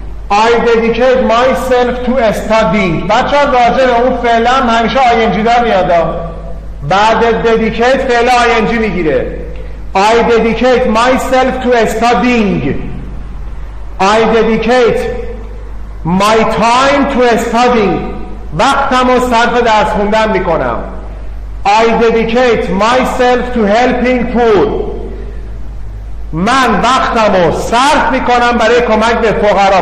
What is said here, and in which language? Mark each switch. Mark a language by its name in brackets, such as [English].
[English] I dedicate myself to study. [Persian] بچه ها راجع به اون فعلا همیشه ing دار میادم، بعد dedicate فعلا ing میگیره. [English] I dedicate myself to studying. I dedicate my time to studying، [Persian] وقتم رو صرف درس خوندن میکنم. [English] I dedicate myself to helping poor، [Persian] من وقتم رو صرف میکنم برای کمک به فقرا.